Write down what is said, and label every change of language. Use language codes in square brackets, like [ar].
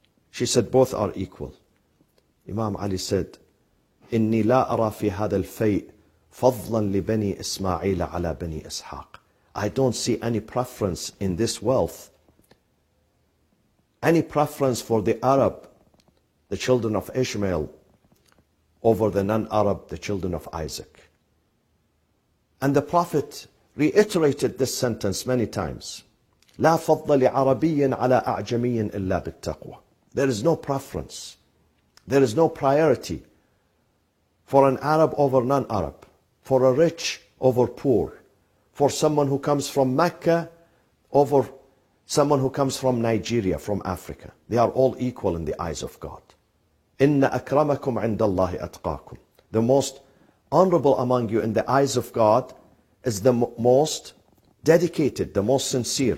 [en] She said, both are equal. Imam Ali said, [ar] إِنِّي لَا أَرَى فِي هَذَا الْفَيْءِ فَضْلًا لِبَنِي إِسْمَعِيلَ عَلَى بَنِي إِسْحَاقِ [en] I don't see any preference in this wealth, any preference for the Arab, the children of Ishmael, over the non-Arab, the children of Isaac. And the Prophet reiterated this sentence many times. [ar] لَا فَضَّ لِعَرَبِيٍّ عَلَىٰ أَعْجَمِيٍّ إِلَّا بِالتَّقْوَى [en] There is no preference. There is no priority for an Arab over non-Arab, for a rich over poor, for someone who comes from Mecca over someone who comes from Nigeria, from Africa. They are all equal in the eyes of God. [ar] إِنَّ أَكْرَمَكُمْ عِنْدَ اللَّهِ أَتْقَاكُمْ [en] The most honorable among you in the eyes of God is the most dedicated, the most sincere.